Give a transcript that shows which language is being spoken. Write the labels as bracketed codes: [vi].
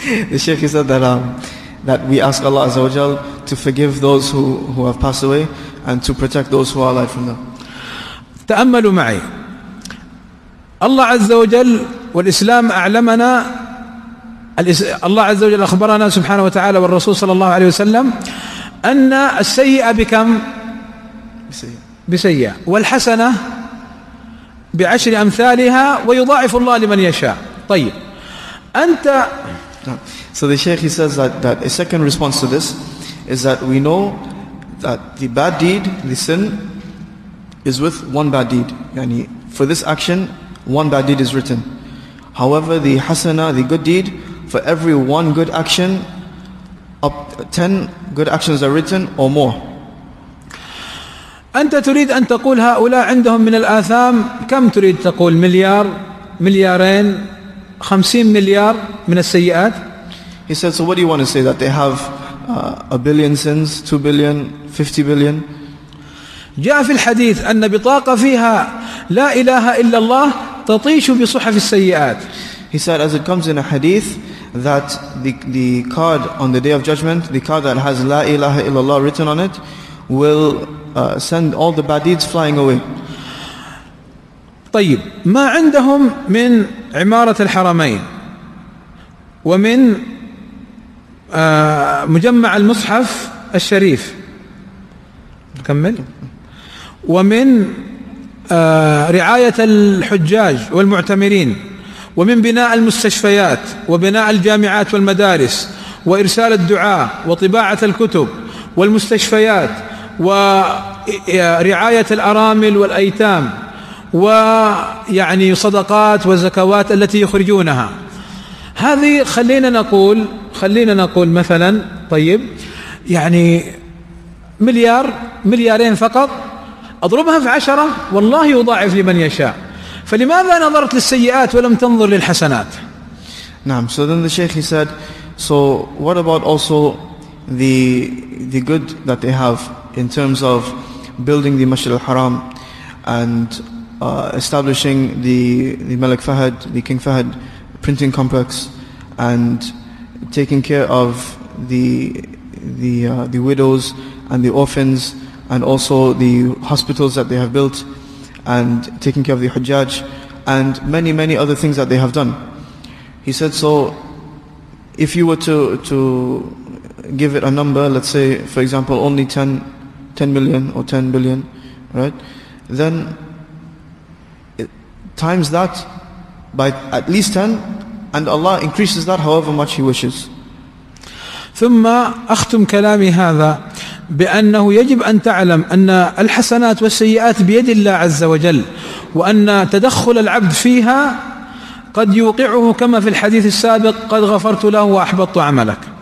[en] The Sheikh said that we ask Allah Azza wa Jal to forgive those who have passed away and to protect those who are alive from them. [ar] تأملوا معي. الله عز وجل والإسلام أعلمنا. الله عز وجل أخبرنا سبحانه وتعالى والرسول صلى الله عليه وسلم أن السيئة بكم؟ بسيئة. والحسنة بعشر أمثالها ويضاعف الله لمن يشاء. طيب أنت. [en] So the Sheikh, he says that a second response to this is that we know that the bad deed, the sin, is with one bad deed. يعني for this action, one bad deed is written. However, the hasana, the good deed, for every one good action, up 10 good actions are written or more. [ar] أنت تريد أن تقول هؤلاء عندهم من الآثام كم تريد تقول مليار مليارين 50 مليار من السيئات. [en] He said, so what do you want to say, that they have a billion sins, 2 billion, 50 billion. [ar] جاء في الحديث أن بطاقة فيها لا إله إلا الله تطيش بصحف السيئات. [en] He said, as it comes in a hadith that the card on the day of judgment, the card that has La ilaha illallah written on it, will send all the bad deeds flying away. [ar] طيب ما عندهم من عمارة الحرمين ومن مجمع المصحف الشريف نكمل ومن رعاية الحجاج والمعتمرين ومن بناء المستشفيات وبناء الجامعات والمدارس وإرسال الدعاء وطباعة الكتب والمستشفيات ورعاية الأرامل والأيتام ويعني صدقات وزكوات التي يخرجونها. هذه خلينا نقول مثلا طيب يعني مليار مليارين فقط أضربها في 10 والله يضاعف لمن يشاء. فلماذا نظرت للسيئات ولم تنظر للحسنات؟ نعم. [en] So then the Sheikh, he said, so what about also the good that they have in terms of building the Masjid al-Haram and establishing the Malik Fahad, the King Fahad printing complex, and taking care of the widows and the orphans, and also the hospitals that they have built, and taking care of the Hujjaj, and many, many other things that they have done. He said, so if you were to give it a number, let's say, for example, only 10 million or 10 billion, right? Then it, times that by at least 10, and Allah increases that however much He wishes. [ar] ثم أختم كلامي هذا بأنه يجب أن تعلم أن الحسنات والسيئات بيد الله عز وجل، وأن تدخل العبد فيها قد يوقعه كما في الحديث السابق قد غفرت له وأحبطت عملك.